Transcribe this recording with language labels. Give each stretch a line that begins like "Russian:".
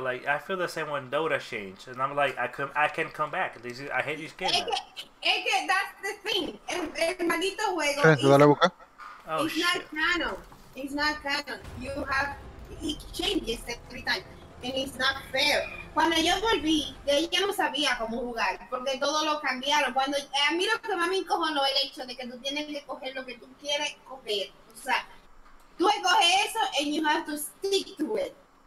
English: Like, I feel the same when Dota changed, and I'm like, I can come back. I hate these games.
Spanish: Es que
English: that's the thing.
Spanish: El maldito juego. ¿Te da la boca?
English: Oh, it's shit. Not canon. It's not canon. You have it changes every time, and it's not fair.
Spanish: Cuando yo volví, de ahí ya no sabía cómo jugar, porque todo lo cambiaron. Cuando a mí lo que más me encojonó es el hecho de que tú tienes que coger lo que tú quieres coger. O sea, tú escoges eso
English: and you have to stick to it.